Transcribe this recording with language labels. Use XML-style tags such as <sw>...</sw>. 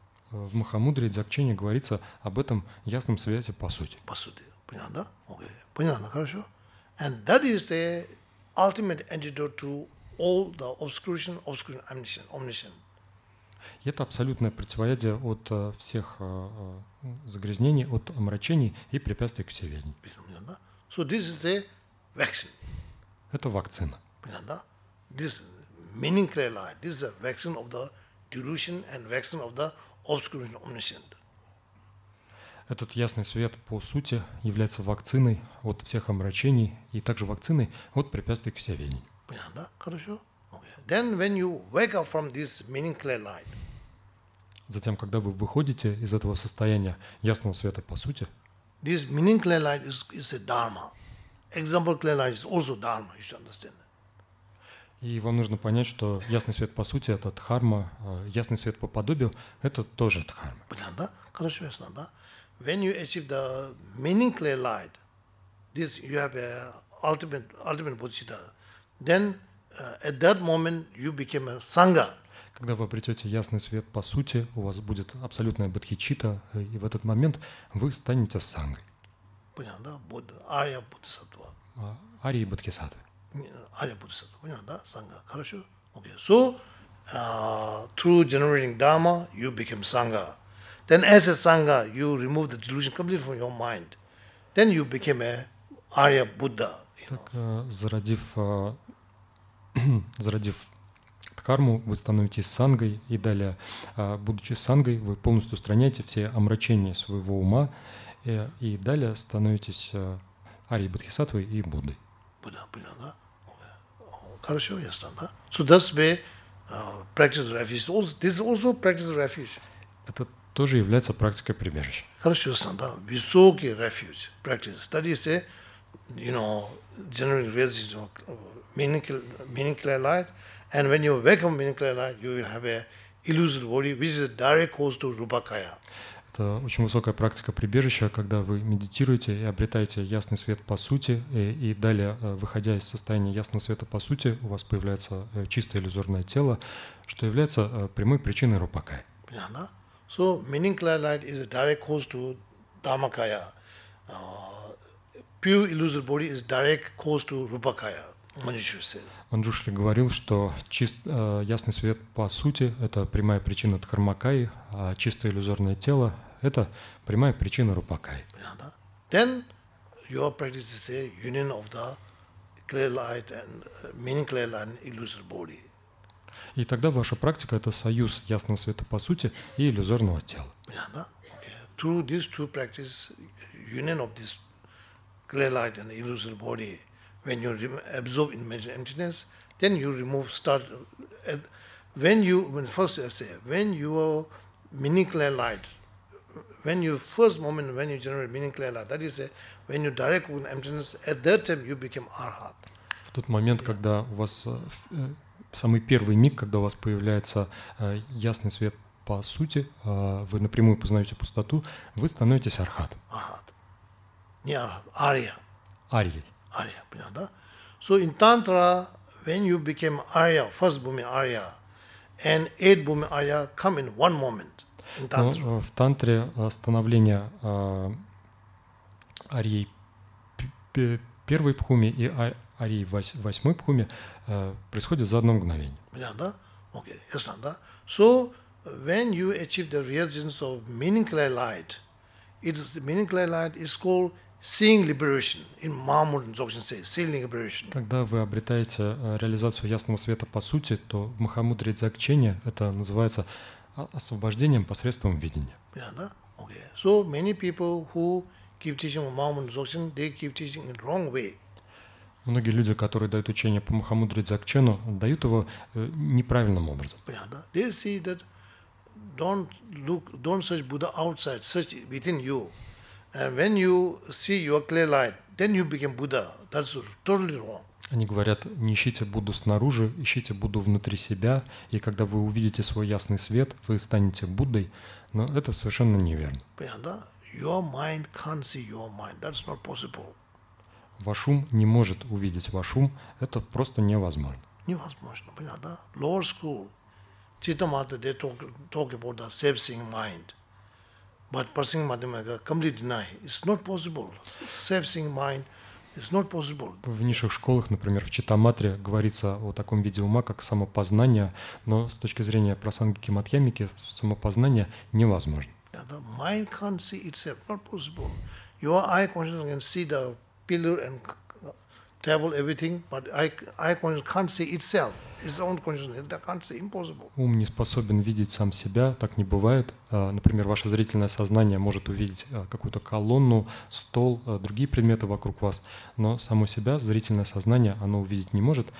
<ru>В Махамудре и Дзогчене говорится об этом ясном свете по сути. По сути. Понятно, да?</ru> <en>Okay.</en> <ru>Понятно, хорошо.</ru> <en>And that is the ultimate antidote to all the obscuration, omniscience.</en> <ru>Это абсолютное противоядие от всех загрязнений, от омрачений и препятствий к всеведению.</ru> <en>So this is a vaccine.</en> <ru>Это вакцина. Понятно?</ru> <en>This meaning clear light. This is a vaccine of the delusion and vaccine of the obscuration, omniscience.</en> <ru>Этот ясный свет, по сути, является вакциной от всех омрачений и также вакциной от препятствий к всеявлению. Понятно, да? Хорошо.</ru> <en>Okay. Then when you wake up from this meaning clear light.</en> <ru>Затем, когда вы выходите из этого состояния ясного света, по сути.</ru> <en>This meaning clear light is a dharma. Example clear light is also dharma, you should understand.</en> <ru>И вам нужно понять, что ясный свет, по сути, это дхарма, ясный свет по подобию, это тоже дхарма. Понятно, да? Хорошо, ясно, да?</ru> <en>When you achieve the meaning clear light, this you have a ultimate bodhicitta, then at that moment you became a sangha.</en> <ru>Когда вы обретете ясный свет, по сути, у вас будет абсолютная бодхичитта, и в этот момент вы станете сангой. Понятно, да? Ария бодхисаттва. Ария и бодхисаттва. Ария бодхисаттва, понятно, да?</ru> <en>Санга.</en> <ru>Хорошо?</ru> <en>Okay. So, through generating dharma, you became sangha. Then as a sangha, you remove the delusion completely from your mind. Then you became a Arya Buddha.</en> <ru>Так, зародив дхарму, вы становитесь сангой, и далее, будучи сангой, вы полностью устраняете все омрачения своего ума, и далее становитесь Арьей Бодхисаттвой и Буддой. Будда, понятно, да? Хорошо, ясно, да?</ru> <en>So that's the practice of refuge. This is also practice of refuge.</en> <ru>Это тоже является практикой прибежища. Хорошо, ясно, да? Высокий</ru> <en>refuge, practice. That is, you know, generating realization of meaning clear light. And when you wake up meaning clear light, you will have a illusory body, which is a direct cause to rupakaya.</en> <ru>Это очень высокая практика прибежища, когда вы медитируете и обретаете ясный свет по сути, и далее, выходя из состояния ясного света по сути, у вас появляется чистое иллюзорное тело, что является прямой причиной рупакая. Понятно, да?</ru> <en>So meaning clear light is a direct cause to dharmakaya. Pure illusory body is direct cause to rupakaya.</en> <ru>Манджушри говорил, что ясный свет по сути — это прямая причина дхармакаи, а чистое иллюзорное тело — это прямая причина рупакаи. Понятно, да?</ru> <en>Then your practice is a union of the clear light and meaning clear light and illusory body.</en> <ru>И тогда ваша практика — это союз ясного света по сути и иллюзорного тела. Понятно, да?</ru> <en>Okay. Through these two practices, union of this clear light and illusory body, when you absorb in mental emptiness, then you remove start. When your meaning clear light, when your first moment when you generate meaning clear light, that is, when you direct in emptiness, at that time you become arhat.</en> <ru>В тот момент, когда у вас самый первый миг, когда у вас появляется ясный свет по сути, вы напрямую познаете пустоту, вы становитесь архат. Архат. Не архат, ария. Арией. Arya, понятно, да?</ru> <en>So in Tantra, when you became Arya, first Bhumi Arya, and eight Bhumi Arya come in one moment in Tantra.</en> <ru>Но в Тантре становление Арьей первой Бхуми и Арьей восьмой Бхуми происходит за одно мгновение. Понятно, да?</ru> <en>Okay,</en> <ru>ясно, да?</ru> <en>So when you achieve the realization of meaning clear light, it is meaning clear light is called seeing liberation in Mahamudra and Dzogchen say seeing liberation.</en> <ru>Когда вы обретаете реализацию ясного света по сути, то в Махамудре Дзогчене это называется освобождением посредством видения. Понятно, да?</ru> <en>Okay. So many people who keep teaching Mahamudra and Dzogchen, they keep teaching in wrong way.</en> <ru>Многие люди, которые дают учение по Махамудре Дзогчену, дают его неправильным образом. Понятно, да?</ru> <en>They see that don't search Buddha outside, search within you. And when you see your clear light, then you become Buddha. That's totally wrong.</en> <ru>Они говорят, не ищите Будду снаружи, ищите Будду внутри себя, и когда вы увидите свой ясный свет, вы станете Буддой. Но это совершенно неверно. Понятно, да?</ru> <en>Your mind can't see your mind. That's not possible.</en> <ru>Ваш ум не может увидеть ваш ум. Это просто невозможно. Невозможно, понятно, да?</ru> <en>Lower school, Chittamata, they talk about the self-seeing mind. But Parsing Madhyamaka completely deny. It's not possible. Self-seeing mind is not possible.</en> <ru>В низших школах, например, в Читаматре говорится о таком виде ума, как самопознание, но с точки зрения Прасангики Мадхьямики самопознание невозможно.</ru> <en>The mind can't see itself. Not possible. Your eye consciousness can see the pillar and stable everything, but I consciousness can't see itself. It's own consciousness. That can't see impossible.</en> <ru>Ум не способен видеть сам себя, так не бывает. Например, ваше зрительное сознание может увидеть какую-то колонну, стол, другие предметы вокруг вас, но само себя зрительное сознание оно увидеть не может.</ru>